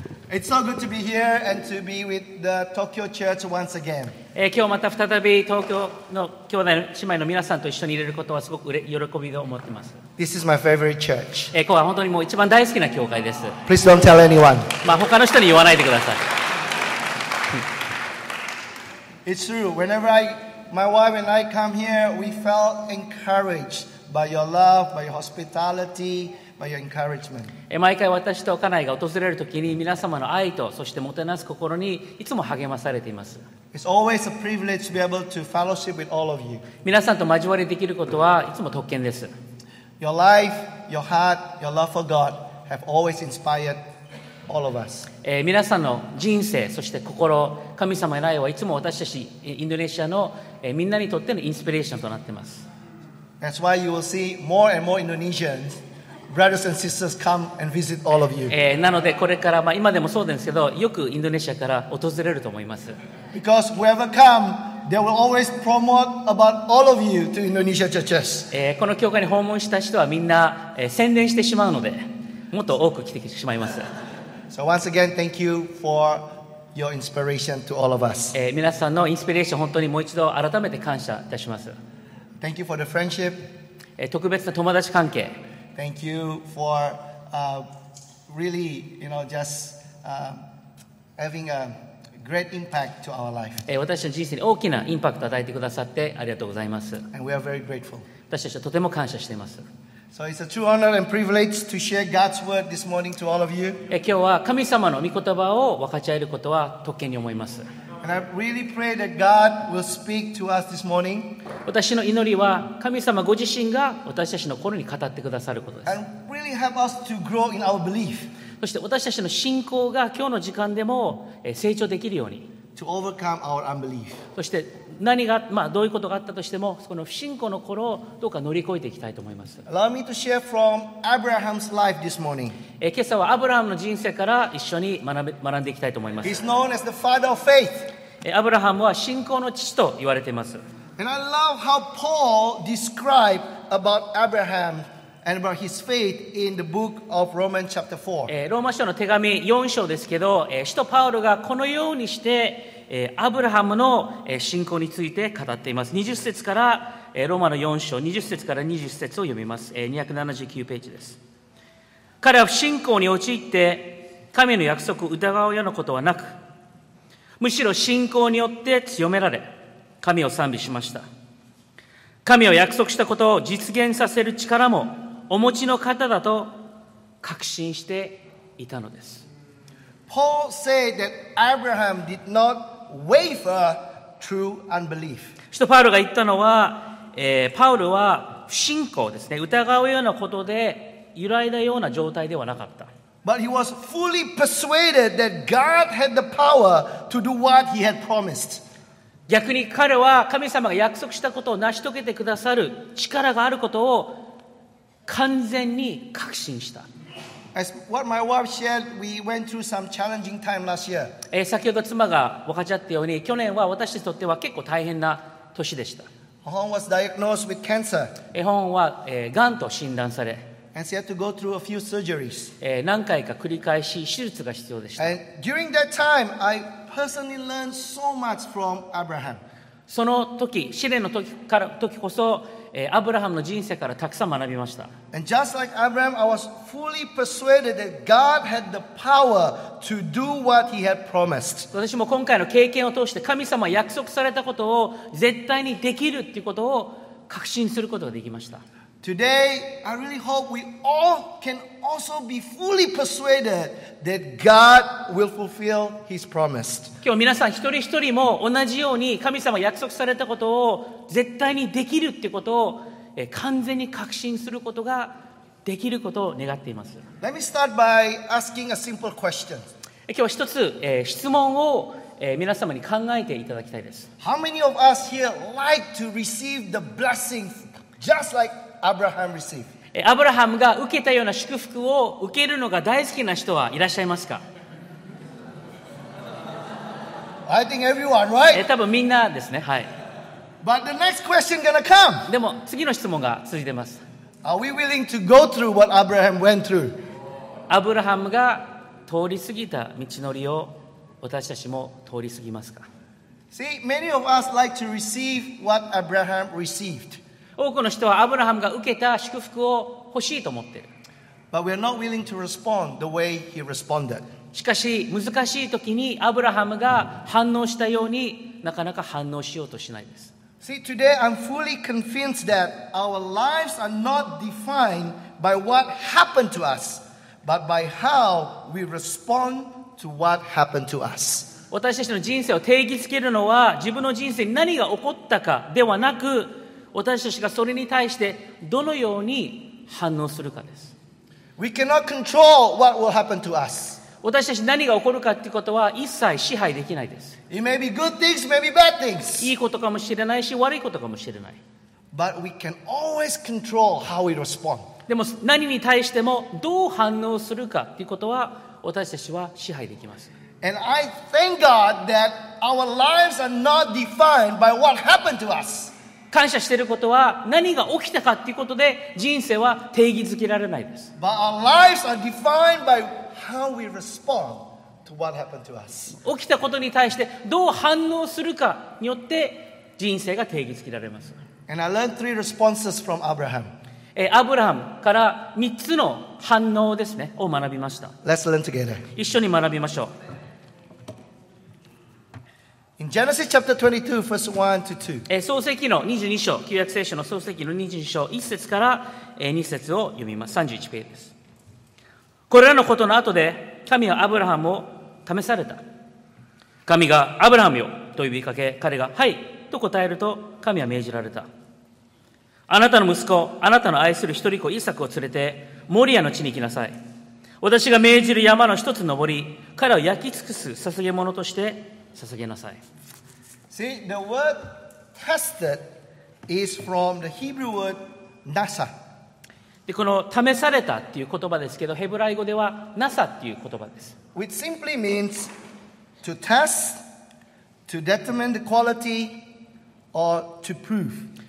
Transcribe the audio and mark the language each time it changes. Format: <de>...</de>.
<en>It's so good to be here and to be with the Tokyo Church once again.</en> <ja>今日また再び東京の兄弟姉妹の皆さんと一緒にいれることはすごく喜びで思っています。</ja> <en>This is my favorite church.</en> <ja>今日は本当にもう一番大好きな教会です。</ja> <en>Please don't tell anyone.</en> <ja>まあ他の人に言わないでください。</ja> <en>It's true. Whenever my wife and I come here, we felt encouraged by your love, by your hospitality, by your encouragement.</en> <ja>毎回私と家内が訪れるときに皆様の愛とそしてもてなす心にいつも励まされています。</ja> <en>It's always a privilege to be able to fellowship with all of you.</en> <ja>皆さんと交わりできることはいつも特権です。</ja> <en>Your life, your heart, your love for God have always inspired all of us.</en> <ja>皆さんの人生、そして心、神様への愛はいつも私たちインドネシアのみんなにとってのインスピレーションとなっています。</ja> <en>That's why you will see more and more Indonesians, brothers and sisters come and visit all of you.</en> <ja>なのでこれから、まあ、今でもそうですけど、よくインドネシアから訪れると思います。</ja> <en>Because whoever come,They will always promote about all of you to Indonesia churches.</en> <ja>この教会に訪問した人はみんな、宣伝してしまうので、もっと多く来てしまいます。</ja> <en>So once again, thank you for your inspiration to all of us.</en> <ja>皆さんのインスピレーション本当にもう一度改めて感謝いたします。</ja> <en>Thank you for the friendship.</en> <ja>特別な友達関係。</ja> <en>Thank you for really, you know, just having a. Great impact to our life.</en> <ja>私の人生に大きなインパクトを与えてくださってありがとうございます。</ja> <en>And we are very grateful.</en> <ja>私たちはとても感謝しています。</ja> <en>So it's a true honor and privilege to share God's word this morning to all of you.</en> <ja>今日は神様の御言葉を分かち合えることは特権に思います。</ja> <en>And I really pray that God will speak to us this morning.</en> <ja>私の祈りは神様ご自身が私たちの心に語ってくださることです。</ja> <en>And really help us to grow in our belief.</en> <ja>そして私たちの信仰が今日の時間でも成長できるように、</ja> <en>to overcome our unbelief.</en> <ja>そして何が、まあ、どういうことがあったとしても、その不信仰の頃をどうか乗り越えていきたいと思います。</ja> <en>Allow me to share from Abraham's life this morning.</en> <ja>今朝はアブラハムの人生から一緒に学んでいきたいと思います。</ja> <en>He's known as the father of faith.</en> <ja>アブラハムは信仰の父と言われています。</ja> <en>And I love how Paul described about Abraham. And about his faith in the book of Romans chapter 4.</en> <ja>ローマ書の手紙4章ですけど、使徒パウロがこのようにして、アブラハムの信仰について語っています。 20節から、ローマの4章、20節から20節を読みます。 279ページです。彼は不信仰に陥って、神の約束を疑うようなことはなく、むしろ信仰によって強められ、神を賛美しました。神を約束したことを実現させる力もお持ちの方だと確信していたのです。</ja> <en>Paul said that Abraham did not waver through unbelief.</en> <ja>使徒パウロが言ったのは、パウロは不信仰ですね、疑うようなことで揺らいだような状態ではなかった。</ja> <en>But he was fully persuaded that God had the power to do what he had promised.</en> <ja>逆に彼は神様が約束したことを成し遂げてくださる力があることを完全に確信した。</ja> <en>As what my wife shared, we went through some challenging time last year.</en> <ja>先ほど妻が分かち合ったように、去年は私たちにとっては結構大変な年でした。</ja> <en>Hon was diagnosed with cancer.</en> <ja>Hon は癌と診断され、</ja> <en>And she had to go through a few surgeries.</en> <ja>何回か繰り返し手術が必要でした。</ja> <en>And during that time, I... Personally learned so much from Abraham.</en> <ja>その時、試練の時こそ、アブラハムの人生からたくさん学びました。</ja> <en>And just like Abraham, I was fully persuaded that God had the power to do what He had promised.</en> <ja>私も今回の経験を通して神様は約束されたことを絶対にできるということを確信することができました。</ja> <en>Today, I really hope we all can also be fully persuaded that God will fulfill His promise.</en> <ja>今日皆さん一人一人も同じように神様約束されたことを絶対にできるってことを完全に確信することができることを願っています。</ja> <en>Let me start by asking a simple question.</en> <ja>今日一つ質問を皆様に考えていただきたいです。</ja> <en>How many of us here like to receive the blessings just like Abraham received?</en> <ja>アブラハムが受けたような祝福を受けるのが大好きな人はいらっしゃいますか？</ja> <en>I think everyone, right?</en> <ja>多分みんなですね、はい。</ja> <en>But the next question gonna come.</en> <ja>でも次の質問が続いてます。</ja> <en>Are we willing to go through what Abraham went through?</en> <ja>アブラハムが通り過ぎた道のりを私たちも通り過ぎますか？</ja> <en>See, many of us like to receive what Abraham received.</en> <ja>多くの人はアブラハムが受けた祝福を欲しいと思っている。</ja> <en>But we are not willing to respond the way he responded.</en> <ja>しかし難しい時にアブラハムが反応したようになかなか反応しようとしないです。</ja> <en>See, today I'm fully convinced that our lives are not defined by what happened to us, but by how we respond to what happened to us.</en> <ja>私たちの人生を定義づけるのは自分の人生に何が起こったかではなく、私たちがそれに対してどのように反応するかです。</ja> <en>We cannot control what will happen to us.</en> <ja>私たち何が起こるかということは一切支配できないです。</ja> <en>It may be good things, maybe bad things.</en> <ja>いいことかもしれないし悪いことかもしれない。</ja> <en>But we can always control how we respond.</en> <ja>でも何に対してもどう反応するかということは私たちは支配できます。</ja> <en>And I thank God that our lives are not defined by what happened to us.</en> <ja>感謝していることは何が起きたかということで人生は定義づけられないです。</ja> <en>But our lives are defined by how we respond to what happened to us.</en> <ja>起きたことに対してどう反応するかによって人生が定義づけられます。</ja> <en>And I learned three responses from Abraham.</en> <ja>アブラハムから3つの反応ですねを学びました。</ja> <en>Let's learn together.</en> <ja>一緒に学びましょう。</ja> <en>In Genesis chapter 22, verse 1 to 2.</en> <ja>創世記の22章、旧約聖書の創世記の22章1節から2節を読みます。31ページです。これらのことの後で神はアブラハムを試された。神がアブラハムよと呼びかけ、彼がはいと答えると神は命じられた。あなたの息子、あなたの愛する一人子イサクを連れてモリアの地に行きなさい。私が命じる山の一つ登り、彼を焼き尽くす捧げ物として捧げなさい。</ja> <en>See, the word tested is from the Hebrew word nasa.</en> <ja>で、この試されたっていう言葉ですけど、ヘブライ語ではナサっていう言葉です。</ja> <en>Which simply means to test, to determine the quality, or to prove.</en>